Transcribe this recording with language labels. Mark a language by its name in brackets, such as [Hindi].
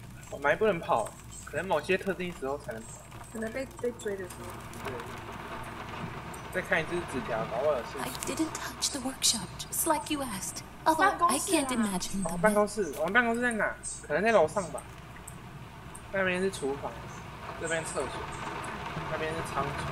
[Chinese] 我们还不能跑，可能某些特定时候才能跑。可能被追的时候。对。再看一只纸条，搞不好有事。 [English] I didn't touch the workshop, just like you asked. Although, I can't imagine them. [Chinese] 办公室，我们办公室在哪？可能在楼上吧。那边是厨房，这边厕所，那边是仓储。